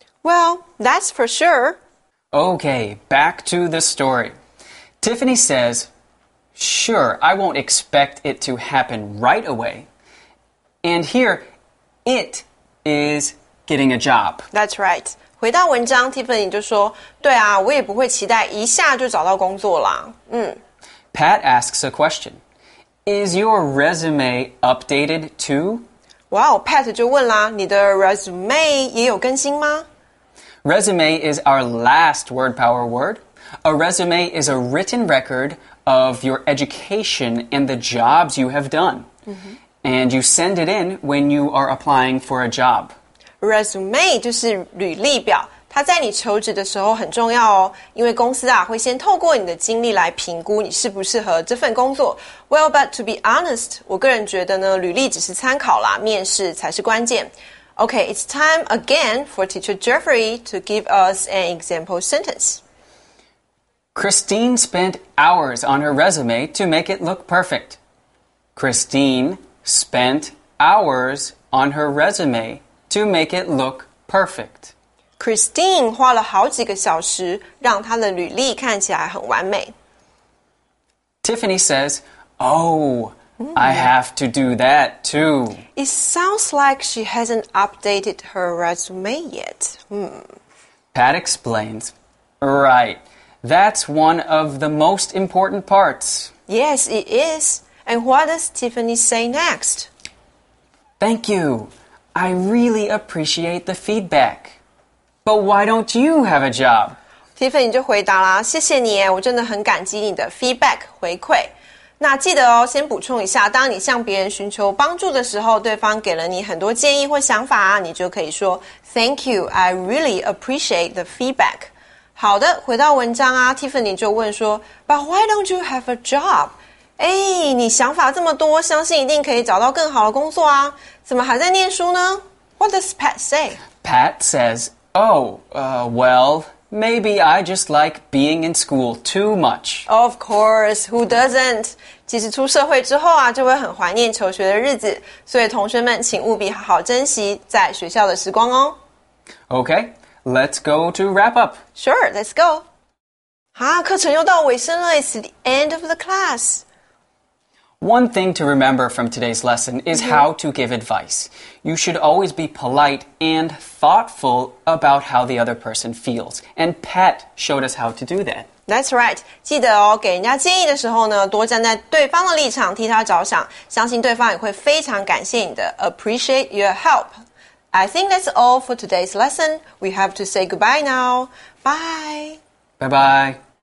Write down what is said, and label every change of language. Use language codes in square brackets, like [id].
[en] Well, that's for sure. Okay, back to the story. Tiffany says, sure, I won't expect it to happen right away. And here, it is getting a job. That's right. [zh] 回到文章 ,Tiffany 就说对啊我也不会期待一下就找到工作啦。 [en] Pat asks a question. Is your resume updated too? [zh] Wow, Pat 就问啦你的 resume 也有更新吗 [en] ?Resume is our last word power word. A resume is a written record of your education and the jobs you have done.、And you send it in when you are applying for a job. [zh] Resume 就是履历表，它在你求职的时候很重要哦，因为公司啊会先透过你的经历来评估你适不适合这份工作。 [en] Well, but to be honest, [zh] 我个人觉得呢，履历只是参考啦，面试才是关键。 [en] Okay, it's time again for Teacher Jeffrey to give us an example sentence. Christine spent hours on her resume to make it look perfect. Christine spent hours on her resume. To make it look perfect. Christine 花了好几个小时让她的履历看起来很完美。 Tiffany says, I have to do that too. It sounds like she hasn't updated her resume yet. Pat explains, right, that's one of the most important parts. Yes, it is. And what does Tiffany say next? Thank you. I really appreciate the feedback. But why don't you have a job? [zh] Tiffany 就回答啦，谢谢你，我真的很感激你的 feedback 回馈。那记得哦，先补充一下，当你向别人寻求帮助的时候，对方给了你很多建议或想法，你就可以说 [en] Thank you, I really appreciate the feedback. [zh] 好的，回到文章啊， Tiffany 就问说 [en] But why don't you have a job? [zh] 哎，你想法这么多，相信一定可以找到更好的工作啊！怎么还在念书呢 [en] ？What does Pat say? Pat says, well, maybe I just like being in school too much. Of course, who doesn't? [zh] 其实出社会之后啊，就会很怀念求学的日子，所以同学们请务必好好珍惜在学校的时光哦。 [en] Okay, let's go to wrap up. Sure, let's go. [zh] 啊，课程又到尾声了 ， [en] It's the end of the class. One thing to remember from today's lesson is how to give advice. You should always be polite and thoughtful about how the other person feels. And Pat showed us how to do that. That's right. [zh] 记得哦，给人家建议的时候呢，多站在对方的立场替他着想，相信对方也会非常感谢你的。 [en] Appreciate your help. I think that's all for today's lesson. We have to say goodbye now. Bye. Bye-bye.